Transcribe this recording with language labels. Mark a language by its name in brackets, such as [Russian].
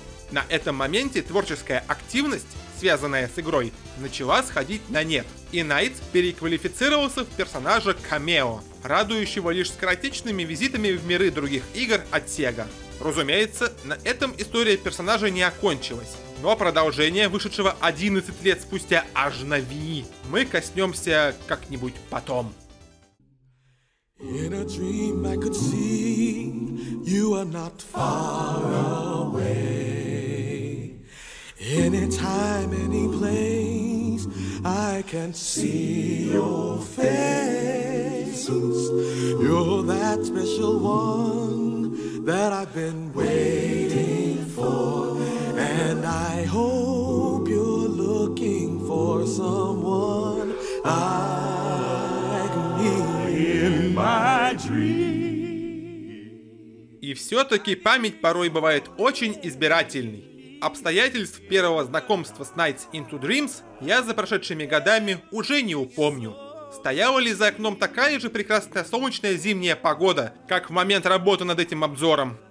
[Russian] На этом моменте творческая активность, связанная с игрой, начала сходить на нет, и Найтс переквалифицировался в персонажа Камео, радующего лишь скоротечными визитами в миры других игр от Sega. Разумеется, на этом история персонажа не окончилась, но продолжение, вышедшего 11 лет спустя аж на Wii, мы коснемся как-нибудь потом. [English] In a dream I could see, you are not far away. Anytime, any place, I can see your face. You're that special one that I've been waiting for. And I hope you're looking for someone like me in my dream. [Russian] И все-таки память порой бывает очень избирательной. Обстоятельств первого знакомства с Nights into Dreams я за прошедшими годами уже не упомню. Стояла ли за окном такая же прекрасная солнечная зимняя погода, как в момент работы над этим обзором?